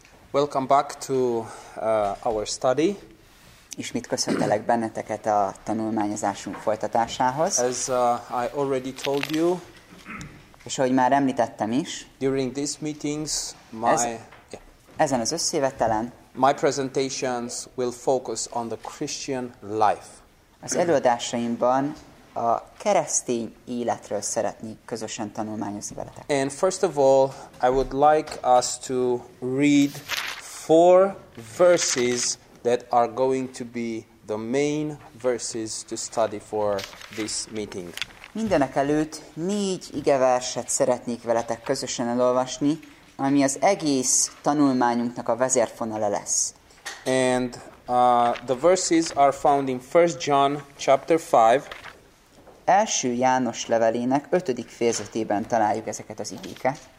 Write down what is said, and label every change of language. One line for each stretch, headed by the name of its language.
English: Welcome back to our study.
Hungarian: Ismét köszöntelek benneteket a tanulmányozásunk folytatásához.
English: As I already told you,
Hungarian: és ahogy már említettem is,
English: during these meetings,
Hungarian: ezen az összjövetelen,
English: my presentations will focus on the Christian life.
Hungarian: Az előadásaimban a keresztény életről szeretnék közösen tanulmányozni veletek.
English: And first of all, I would like us to read four verses that are going to be the main verses to study for this meeting.
Hungarian: Mindenek előtt négy igeverset szeretnék veletek közösen elolvasni, ami az egész tanulmányunknak a vezérfonala lesz.
English: And the verses are found in 1 John chapter 5.
Hungarian: Első János levelének 5. fejezetében találjuk ezeket az igéket.